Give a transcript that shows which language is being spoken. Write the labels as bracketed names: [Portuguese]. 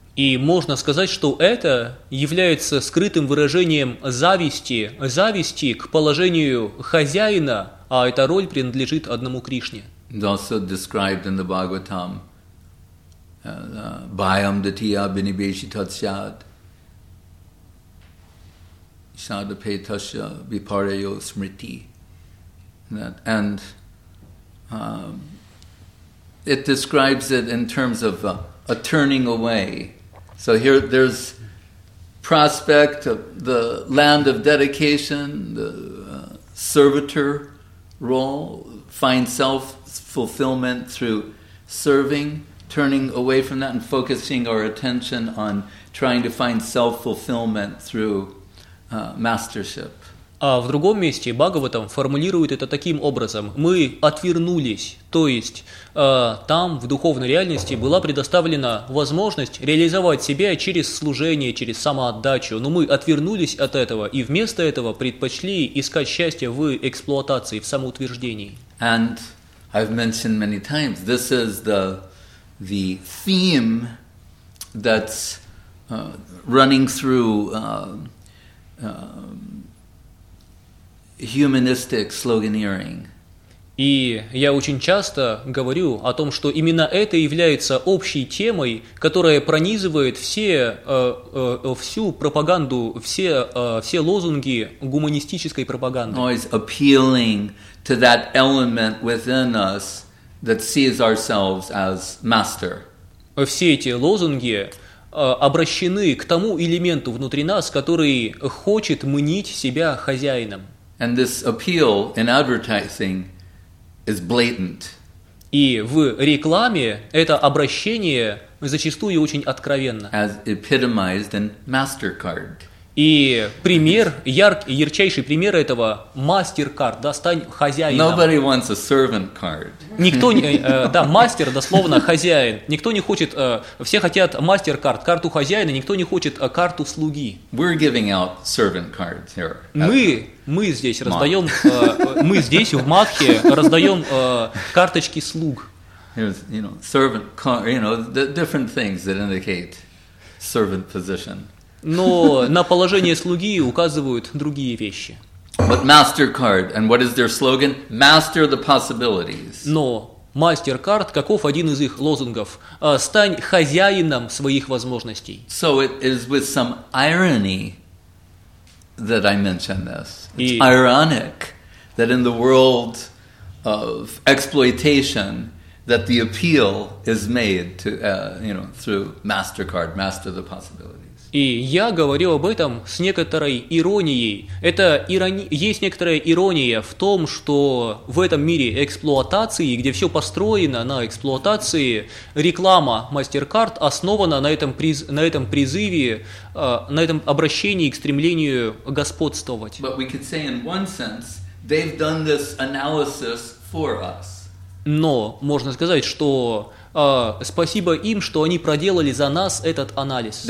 [Russian] И можно сказать, что это является скрытым выражением зависти, зависти к положению хозяина, а эта роль принадлежит одному Кришне. [English] It's also described in the Bhagavatam, [Sanskrit] Bhayam Dhatiya Binibeshi Tatsyad, Shadapetasya Viparayo Smriti. [English] And it describes it in terms of a turning away. So here, there's prospect of the land of dedication, the servitor role, find self-fulfillment through serving, turning away from that and focusing our attention on trying to find self-fulfillment through mastership. [Russian] А в другом месте Бхагаватам формулирует это таким образом. Мы отвернулись, то есть там, в духовной реальности, была предоставлена возможность реализовать себя через служение, через самоотдачу. Но мы отвернулись от этого и вместо этого предпочли искать счастье в эксплуатации, в самоутверждении. [English] And I've mentioned many times, this is the theme that's running through humanistic sloganeering. [Russian] И я очень часто говорю о том, что именно это является общей темой, которая пронизывает всю пропаганду, все лозунги гуманистической пропаганды. [English] Always appealing to that element within us that sees ourselves as master. [Russian] Все эти лозунги обращены к тому элементу внутри нас, который хочет мнить себя хозяином. [English] And this appeal in advertising is blatant. [Russian] И в рекламе это обращение зачастую очень откровенно. [English] As epitomized in MasterCard. [Russian] И пример, яркий, ярчайший пример этого MasterCard, да, стань хозяином. [English] Nobody wants a servant card. [Russian] Никто не, да, мастер, дословно, хозяин. Никто не хочет, все хотят MasterCard, карту хозяина, никто не хочет карту слуги. [English] We're giving out servant cards here. [Russian] Мы здесь раздаем, мы здесь в Мадхе раздаем карточки слуг. [English] There's, you know, servant, you know, the different things that indicate servant position. [Russian] Но на положение слуги указывают другие вещи. [English] But MasterCard, and what is their slogan? Master the possibilities. [Russian] Но MasterCard, каков один из их лозунгов? Стань хозяином своих возможностей. [English] So it is with some irony that I mention this. It's ironic that in the world of exploitation that the appeal is made to, through MasterCard, master the possibilities. [Russian] И я говорю об этом с некоторой иронией. Это есть некоторая ирония в том, что в этом мире эксплуатации, где все построено на эксплуатации, реклама MasterCard основана на этом обращении к стремлению господствовать. [English] But we could say in one sense, they've done this analysis for us. [Russian] Но можно сказать, что спасибо им, что они проделали за нас этот анализ.